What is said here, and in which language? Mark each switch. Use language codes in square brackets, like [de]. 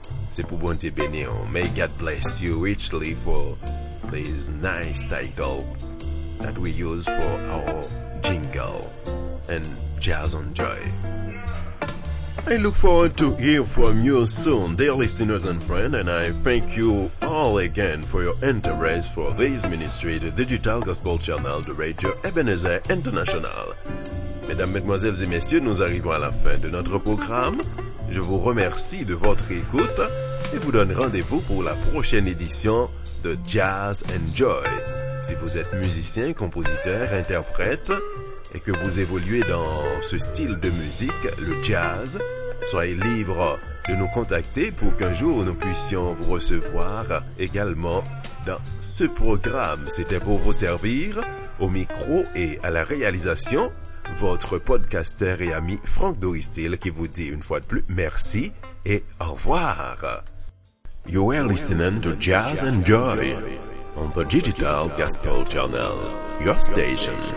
[fr] C'est pour bon te bénir. [en] May God bless you richly for this nice title that we use for our jingle and Jazz on Joy. I look forward to hear from you soon, dear listeners and friends, and I thank you all again for your interest for this ministry, the Digital Gospel Channel de Radio Ebenezer International. [fr] Mesdames, Mesdemoiselles et Messieurs, nous arrivons à la fin de notre programme. Je vous remercie de votre écoute et vous donne rendez-vous pour la prochaine édition de Jazz and Joy. Si vous êtes musicien, compositeur, interprète et que vous évoluez dans ce style de musique, le jazz, soyez libre de nous contacter pour qu'un jour nous puissions vous recevoir également dans ce programme. C'était pour vous servir au micro et à la réalisation, votre podcasteur et ami Franck Doristil qui vous dit une fois de plus merci et au revoir. [en] You are listening to Jazz and Joy on the Digital Gospel Channel, your station.